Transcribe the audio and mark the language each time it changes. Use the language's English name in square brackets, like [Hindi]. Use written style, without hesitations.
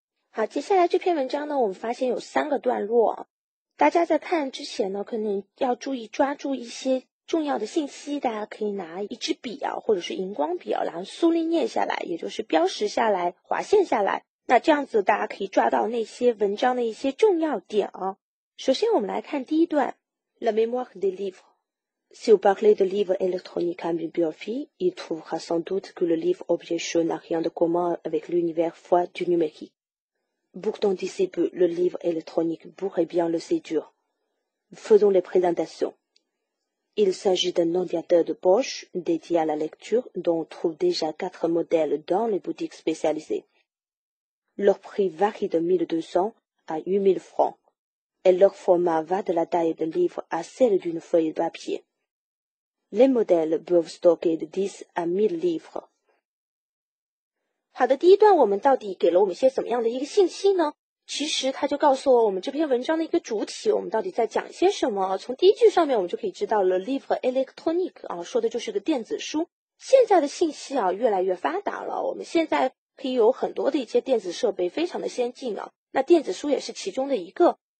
[Chinese] 好，接下来这篇文章呢我们发现有三个段落，大家在看之前呢可能要注意抓住一些重要的信息，大家可以拿一支笔啊或者是荧光笔啊，然后苏丽念下来，也就是标识下来划线下来，那这样子大家可以抓到那些文章的一些重要点啊。首先我们来看第一段 [French] La mémoire des livres Si vous parlez de livres électroniques en bibliographie il trouvera sans doute que le livre objet chaud n'a rien de commun avec l'univers froid du numérique。 Pourtant, d'ici peu, le livre électronique pourrait bien le séduire. Faisons les présentations. Il s'agit d'un ordinateur de poche dédié à la lecture dont on trouve déjà 4 modèles dans les boutiques spécialisées. Leur prix varie de 1200 à 8000 francs et leur format va de la taille d'un livre à celle d'une feuille de papier. Les modèles peuvent stocker de 10 à 1000 livres. [Chinese] 好的，第一段我们到底给了我们一些怎么样的一个信息呢？其实它就告诉了我们这篇文章的一个主体，我们到底在讲些什么。从第一句上面我们就可以知道 [French] Le livre électronique [Chinese] 啊，说的就是个电子书。现在的信息啊越来越发达了，我们现在可以有很多的一些电子设备非常的先进啊，那电子书也是其中的一个。